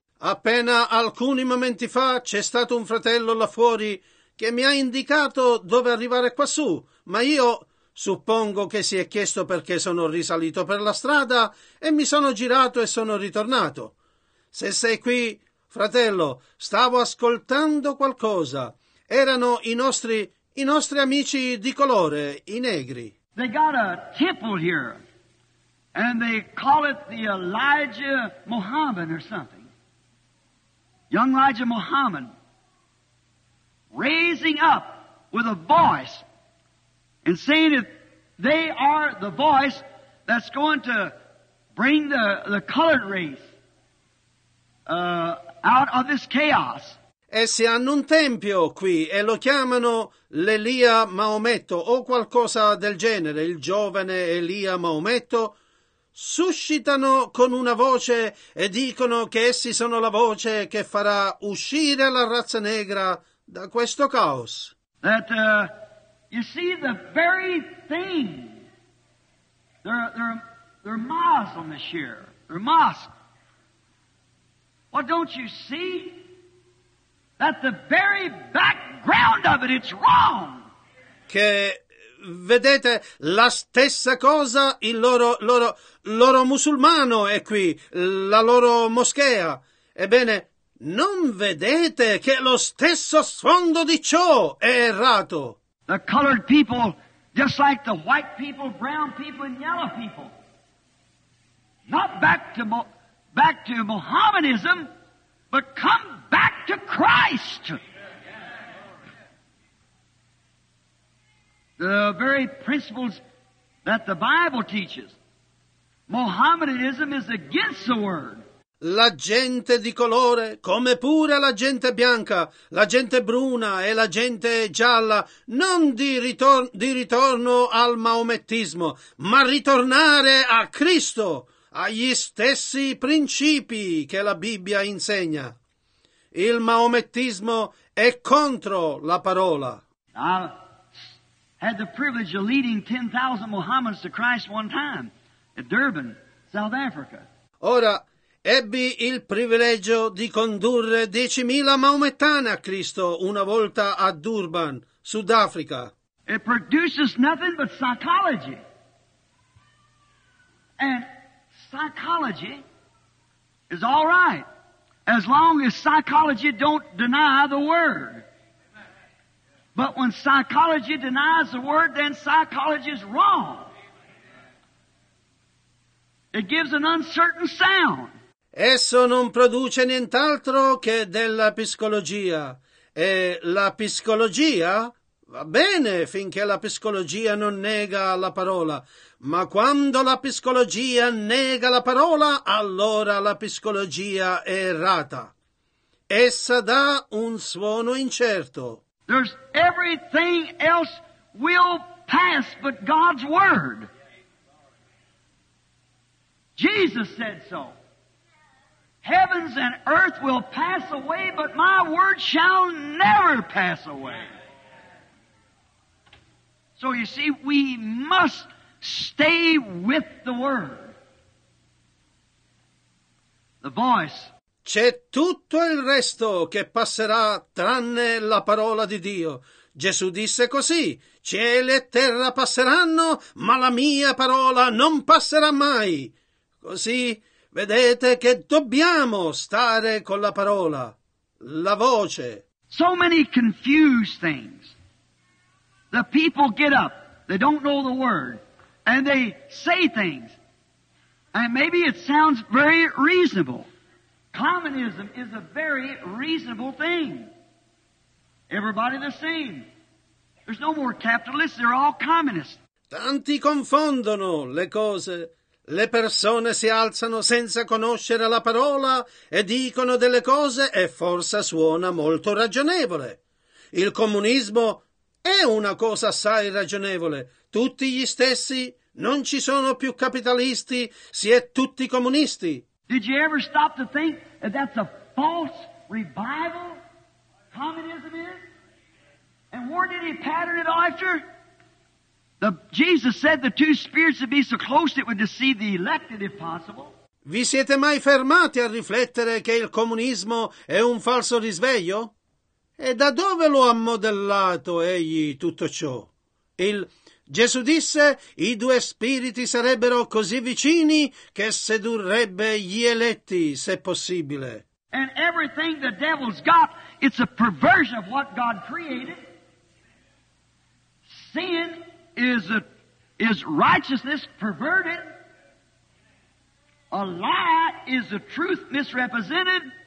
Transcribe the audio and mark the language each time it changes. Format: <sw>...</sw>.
<it>Appena alcuni momenti fa c'è stato un fratello là fuori che mi ha indicato dove arrivare quassù, ma io suppongo che si è chiesto perché sono risalito per la strada e mi sono girato e sono ritornato. Se sei qui, fratello, stavo ascoltando qualcosa. Erano i nostri amici di colore, i negri.</it> <en>They got a temple here, and they call it the Elijah Muhammad or something. Young Elijah Muhammad, raising up with a voice and saying that they are the voice that's going to bring the colored race. Out of this chaos.</en> <it>Essi hanno un tempio qui e lo chiamano l'Elia Maometto o qualcosa del genere, il giovane Elia Maometto. Suscitano con una voce e dicono che essi sono la voce che farà uscire la razza negra da questo caos.</it> <en>That you see the very thing. They're Muslim this year. They're mosque. What don't you see? That the very background of it, it's wrong.</en> <it>Che vedete la stessa cosa, il loro musulmano è qui, la loro moschea. Ebbene, non vedete che lo stesso sfondo di ciò è errato?</it> <en>The colored people, just like the white people, brown people, and yellow people. Not back to Mohammedism. But come back to Christ. The very principles that the Bible teaches. Mohammedanism is against the word.</en> <it>La gente di colore, come pure la gente bianca, la gente bruna e la gente gialla, non di ritorno al maomettismo, ma ritornare a Cristo, agli stessi principi che la Bibbia insegna. Il maomettismo è contro la parola.</it> <en>I had the privilege of leading 10,000 Mohammedans to Christ one time at Durban, South Africa.</en> <it>Ora, ebbi il privilegio di condurre 10,000 maomettani a Cristo una volta a Durban, Sudafrica.</it> <en>It produces nothing but psychology. And psychology is all right, as long as psychology don't deny the word. But when psychology denies the word, then psychology is wrong. It gives an uncertain sound.</en> <it>Esso non produce nient'altro che della psicologia. E la psicologia va bene finché la psicologia non nega la parola. Ma quando la psicologia nega la parola, allora la psicologia è errata. Essa dà un suono incerto.</it> <en>There's everything else will pass but God's word. Jesus said so. Heavens and earth will pass away, but my word shall never pass away. So you see, we must stay with the word. The voice.</en> <it>C'è tutto il resto che passerà tranne la parola di Dio. Gesù disse così: cielo e terra passeranno, ma la mia parola non passerà mai. Così vedete che dobbiamo stare con la parola, la voce.</it> <en>So many confused things. The people get up, they don't know the word, and they say things. And maybe it sounds very reasonable. Communism is a very reasonable thing. Everybody the same. There's no more capitalists, they're all communists.</en> <it>Tanti confondono le cose. Le persone si alzano senza conoscere la parola e dicono delle cose e forse suona molto ragionevole. Il comunismo è una cosa assai ragionevole. Tutti gli stessi, non ci sono più capitalisti, si è tutti comunisti.</it> <en>Did you ever stop to think that that's a false revival communism is? And where did he pattern it after? Jesus said the two spirits would be so close it would deceive the elected if possible.</en> <it>Vi siete mai fermati a riflettere che il comunismo è un falso risveglio? E da dove lo ha modellato egli tutto ciò? Gesù disse i due spiriti sarebbero così vicini che sedurrebbe gli eletti, se possibile.</it> <en>And everything the devil's got, it's a perversion of what God created. Sin is righteousness perverted? A lie is the truth misrepresented?</en>